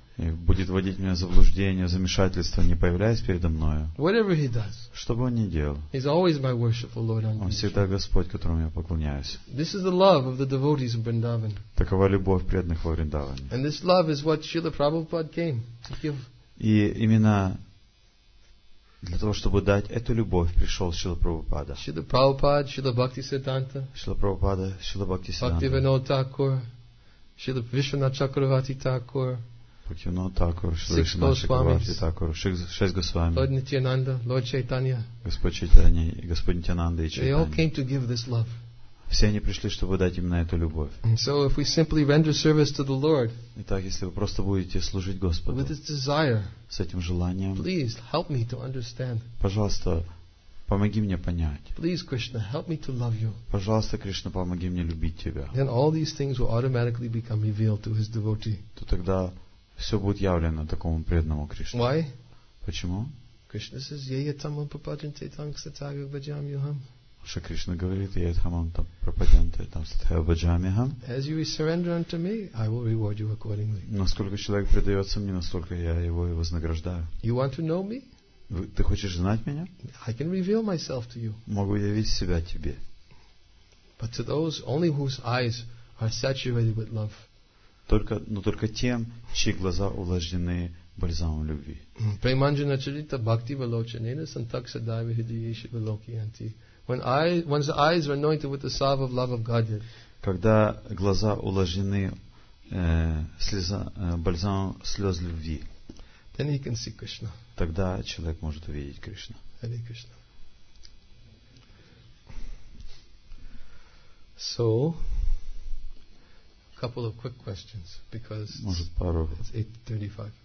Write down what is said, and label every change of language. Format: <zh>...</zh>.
<ru>И будет вводить меня в заблуждение, в замешательство, не появляясь передо мною.</ru> <en>Whatever he does.</en> <ru>Что бы он ни делал.</ru> <en>He's always my worshipful Lord.</en> <ru>Он всегда Господь, которому я поклоняюсь.</ru> <en>This is the love of the devotees of Vrindavan.</en> <ru>Такова любовь преданных во Вриндаване.</ru> <en>And this love is what Srila Prabhupada came to give.</en> <ru>И именно для того, чтобы дать эту любовь, пришел Шрила Прабхупада. Шрила Прабхупада, Шрила Бхакти Сиддханта. Шрила Прабхупада, Шрила Бхакти Сиддханта. Бхактивинод Такур, Шрила Вишванат Чакраварти Такур. Бхактивинод Такур, Шрила Вишванат Чакраварти Такур. Шесть Госвами. Лорд Нитьянанда, Лорд Чайтанья. Господь Чайтанья, Господь Нитьянанда и Чайтанья.</ru> <en>They all came to give this love.</en> <ru>Все они пришли, чтобы дать именно эту любовь.</ru> <en>And so if we simply render service to the Lord,</en> <ru>итак, если вы просто будете служить Господу</ru> <en>with this desire,</en> <ru>с этим желанием,</ru> <en>please help me to understand.</en> <ru>Пожалуйста, Помоги мне понять.</ru> <en>Please, Krishna, help me to love you.</en> <ru>Пожалуйста, Кришна, помоги мне любить тебя.</ru> <en>Then all these things will automatically become revealed to his devotee.</en> <ru>То тогда все будет явлено такому преданному Кришне.</ru> <en>Why?</en> <ru>Почему?</ru> <en>Krishna says,</en> <sa>"Yeyatamam prapadyante tangsatag bhajamyuham."</sa> <ru>Что Кришна говорит,</ru> <sa>"Yeyatamam prapadyante tangsatag bhajamyuham."</sa> <en>As you surrender unto me, I will reward you accordingly.</en> <ru>Насколько человек предается мне, настолько я его и вознаграждаю.</ru> <en>You want to know me?</en> <ru>Ты хочешь знать меня?</ru> <en>I can reveal myself to you.</en> <ru>Могу явить себя тебе.</ru> <en>But to those only whose eyes are saturated with love.</en> <ru>Только тем, чьи глаза увлажнены бальзамом любви.</ru> <sa>Premanjana charita bhakti valochanena santaksadaiva hidayeshu valokiyanti.</sa> <en>When one's eyes are anointed with the salve of love of Godhead.</en> <ru>Когда глаза увлажнены бальзамом слез любви.</ru> <en>Then he can see Krishna.</en> <ru>Тогда человек может увидеть Кришну.</ru> <en>Hare Krishna. So, a couple of quick questions, because it's 8:35.</en>